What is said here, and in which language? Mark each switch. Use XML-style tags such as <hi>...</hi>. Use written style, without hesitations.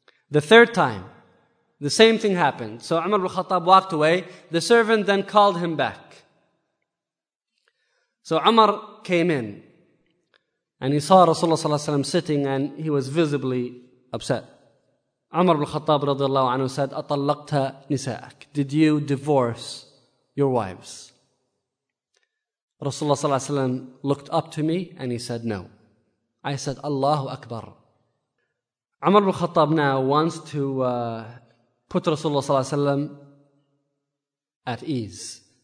<en>The third time, the same thing happened. So Umar ibn Khattab walked away. The servant then called him back. So Umar came in and he saw Rasulullah صلى الله عليه وسلم sitting and he was visibly upset. Umar ibn al-Khattab رضي الله عنه said,</en> <ar>أَطَلَّقْتَ نِسَاءَكَ.</ar> <en>Did you divorce your wives? Rasulullah صلى الله عليه وسلم looked up to me and he said, no. I said, Allahu Akbar. Umar ibn al-Khattab now wants to put Rasulullah صلى الله عليه وسلم at ease.</en>